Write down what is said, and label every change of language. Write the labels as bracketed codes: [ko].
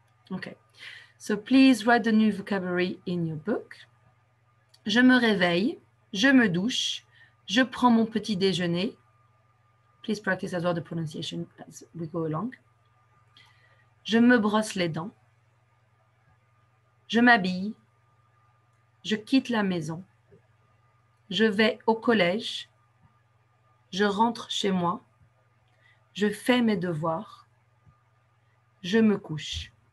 [en] Okay, so please write the new vocabulary in your book. [fr] Je me réveille, je me douche, je prends mon petit déjeuner. [en] Please practice as well the pronunciation as we go along. [fr] Je me brosse les dents. Je m'habille. Je quitte la maison. Je vais au collège. Je rentre chez moi. Je fais mes devoirs. Je me couche.